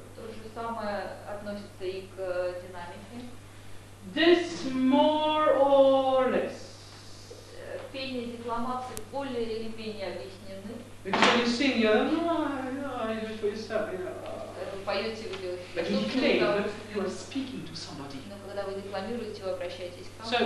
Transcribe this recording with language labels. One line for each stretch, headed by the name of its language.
Russian: То же самое относится и к динамике.
English: This more or less.
Russian: Пение декламации более или менее объяснены.
English: Because when you sing, you're like, you're for yourself,
Russian: Поете вы,
English: you're speaking to somebody.
Russian: Но когда вы декламируете, вы обращаетесь к кому-то.